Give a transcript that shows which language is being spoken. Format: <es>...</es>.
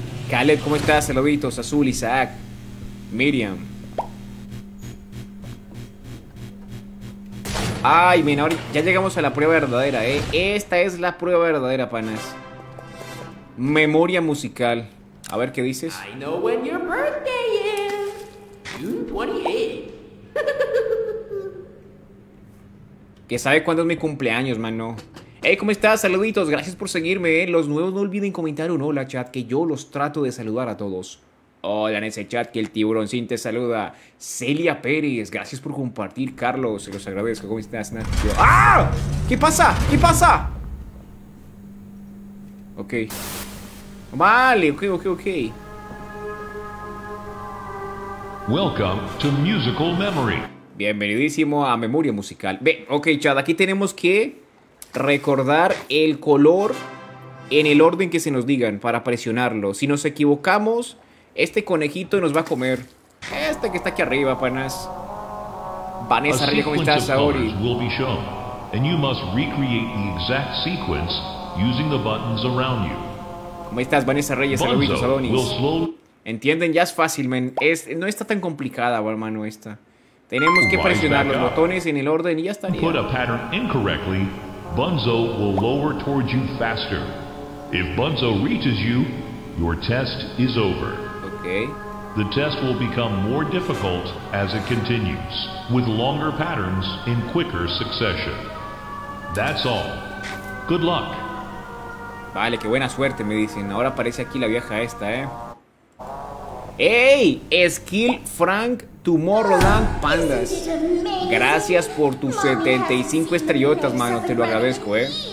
<es>Caleb, ¿cómo estás? Saluditos, Azul, Isaac, Miriam. Ay, menor, ya llegamos a la prueba verdadera, ¿eh? Esta es la prueba verdadera, panas. Memoria musical. A ver qué dices.</es> <en>I know when your birthday is. June 28.</en> <es>¿Qué sabe cuándo es mi cumpleaños, mano? Hey, ¿cómo estás? Saluditos, gracias por seguirme, ¿eh? Los nuevos no olviden comentar un hola, chat, que yo los trato de saludar a todos. Hola en ese chat, que el tiburoncín te saluda. Celia Pérez, gracias por compartir. Carlos, se los agradezco. ¿Cómo estás, Nacho? ¡Ah! ¿Qué pasa? ¿Qué pasa? Ok. Vale, ok.</es> <en>Welcome to Musical Memory.</en> <es>Bienvenidísimo a Memoria Musical. Ve, ok, chat, aquí tenemos que recordar el color en el orden que se nos digan para presionarlo. Si nos equivocamos, este conejito nos va a comer. Este que está aquí arriba, panas. Vanessa, ¿cómo estás, Saori?</es> <en>Will be shown, and you must recreate the exact sequence using the buttons around you.</en> <es>¿Cómo estás, Vanessa Reyes? Saluditos, Adonis. ¿Entienden? Ya es fácil, men. No está tan complicada, hermano, esta. Tenemos que presionar los botones en el orden y ya estaría.</es> <en>Put a pattern incorrectly, Bunzo will lower towards you faster. If Bunzo reaches you, your test is over. Okay. The test will become more difficult as it continues, with longer patterns in quicker succession. That's all. Good luck.</en> <es>Vale, qué buena suerte, me dicen. Ahora aparece aquí la vieja esta, ¿eh? ¡Ey! Skill Frank Tomorrowland Pandas. Gracias por tus 75 estrellotas, mano. Te lo agradezco, ¿eh?</es>